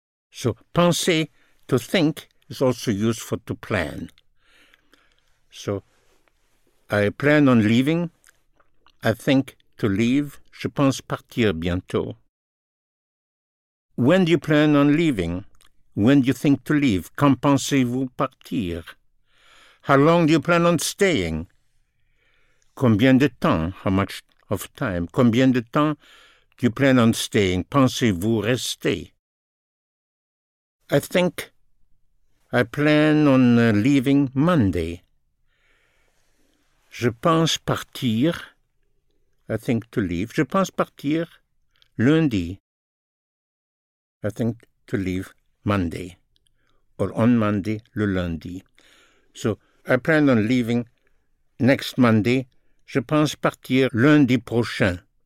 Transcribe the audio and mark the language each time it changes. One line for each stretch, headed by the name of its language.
English: So, penser, to think, is also used for to plan. So, I plan on leaving, I think to leave,
French: je pense partir bientôt.
English: When do you plan on leaving? When do you think to leave?
French: Quand pensez-vous partir?
English: How long do you plan on staying?
French: Combien de temps?
English: How much of time?
French: Combien de temps
English: do you plan on staying?
French: Pensez-vous rester?
English: I think I plan on leaving Monday.
French: Je pense partir.
English: I think to leave.
French: Je pense partir lundi.
English: I think to leave Monday. Or on Monday,
French: le lundi.
English: So I plan on leaving next Monday.
French: Je pense partir lundi prochain.